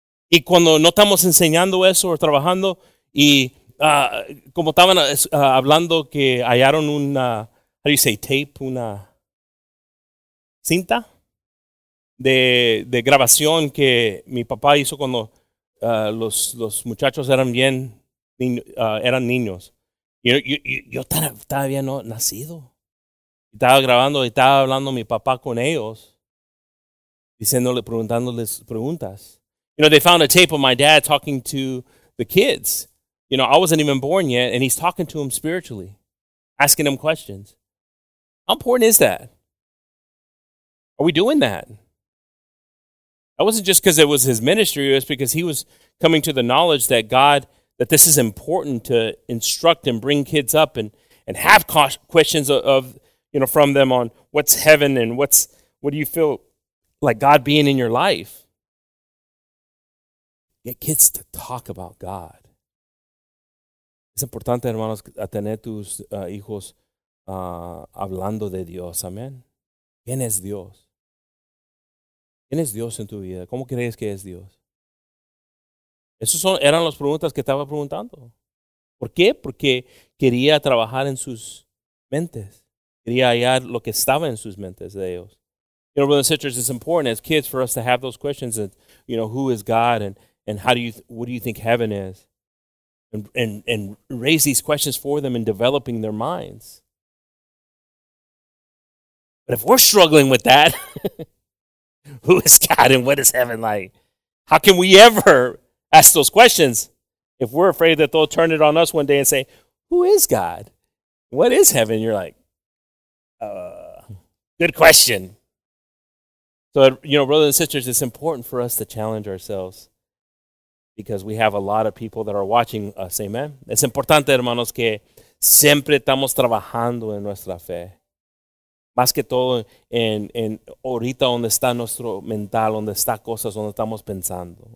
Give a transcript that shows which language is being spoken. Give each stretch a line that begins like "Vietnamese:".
Spanish: Y cuando no estamos enseñando eso o trabajando, y como estaban hablando que hallaron una,
English: how do you say, tape,
Spanish: una cinta de grabación que mi papá hizo cuando los muchachos eran bien eran niños. Yo todavía no nacido. Estaba grabando y estaba hablando mi papá con ellos, diciéndole, preguntándoles preguntas.
English: You know, they found a tape of my dad talking to the kids. You know, I wasn't even born yet, and he's talking to them spiritually, asking them questions. How important is that? Are we doing that? That wasn't just because it was his ministry. It was because he was coming to the knowledge that God, that this is important to instruct and bring kids up and have questions of, you know, from them on what's heaven and what do you feel like God being in your life. Get kids to talk about God.
Spanish: Es importante, hermanos, a tener tus hijos hablando de Dios. Amén. ¿Quién es Dios? ¿Quién es Dios en tu vida? ¿Cómo crees que es Dios? Esas eran las preguntas que estaba preguntando. ¿Por qué? Porque quería trabajar en sus mentes. Quería hallar lo que estaba en sus mentes de ellos.
English: You know, brothers and sisters, it's important as kids for us to have those questions that, you know, who is God and how do you, what do you think heaven is? And raise these questions for them in developing their minds. But if we're struggling with that, who is God and what is heaven like? How can we ever ask those questions if we're afraid that they'll turn it on us one day and say, who is God? What is heaven? You're like, good question. So, you know, brothers and sisters, it's important for us to challenge ourselves because we have a lot of people that are watching us. Amen.
Spanish: Es importante, hermanos, que siempre estamos trabajando en nuestra fe. Más que todo en ahorita donde está nuestro mental, donde está cosas, donde estamos pensando.